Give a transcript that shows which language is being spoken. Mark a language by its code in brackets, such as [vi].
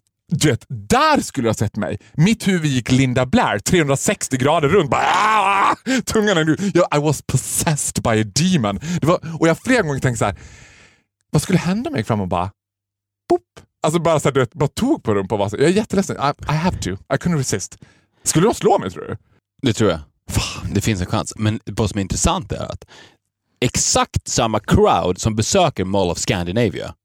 [sv] Du vet, där skulle jag sett mig. Mitt huvud gick Linda Blair 360 grader runt. Tungan är nu. [en] I was possessed by a demon. [sv] Det var, och jag flera gånger tänkte så här, vad skulle hända mig fram och bara pop. Alltså bara så här, du vet, bara tog på rumpan och bara så här, jag är jätteledsen. [en] I have to. I couldn't resist. [sv] Skulle de slå mig, tror du? Det tror jag. Fan, det finns en chans. Men vad som är intressant är att exakt samma crowd som besöker Mall of Scandinavia.